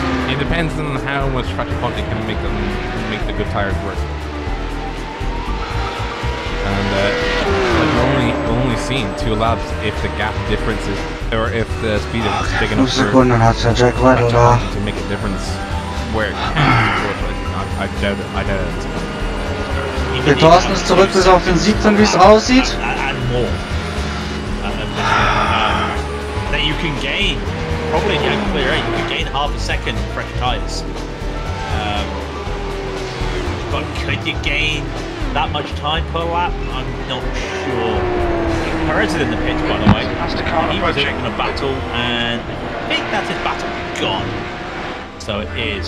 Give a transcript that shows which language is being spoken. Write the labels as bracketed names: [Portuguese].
[English] It depends on how much Patrick Ponte can make them make the good tyres work. And I've only seen two laps if the gap difference is, or if the speed is big enough to make a difference where it can be worth it. I doubt it. [German] Der Thorsten ist zurück bis auf den 17, wie es aussieht. [English] And more. That you can gain, probably, yeah, clear, right? You can gain half a second fresh tires. But could you gain that much time per lap? I'm not sure. Perez is in the pitch, by the way. He was in a battle, and I think that's his battle gone. So it is.